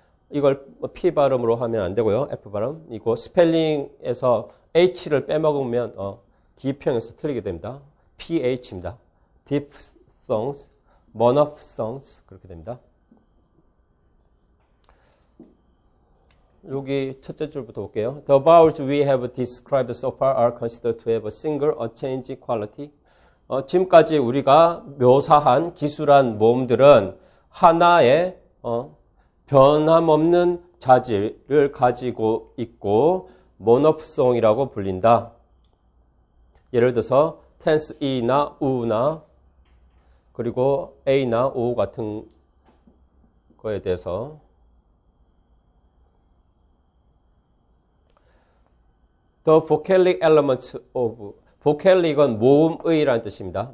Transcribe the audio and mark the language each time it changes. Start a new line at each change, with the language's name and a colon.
Korean: 이걸 p 발음으로 하면 안 되고요. f 발음. 이거 스펠링에서 h를 빼먹으면 기평에서 틀리게 됩니다. ph입니다. diphthongs, monophthongs 그렇게 됩니다. 여기 첫째 줄부터 볼게요.
English: The vowels we have described so far are considered to have a single unchanged quality.
Korean: 지금까지 우리가 묘사한 기술한 모음들은 하나의 변함없는 자질을 가지고 있고 monophthong이라고 불린다. 예를 들어서 tense e나 u나 그리고 a나 o 같은 거에 대해서
English: The vocalic elements of,
Korean: vocalic은 모음의라는 뜻입니다.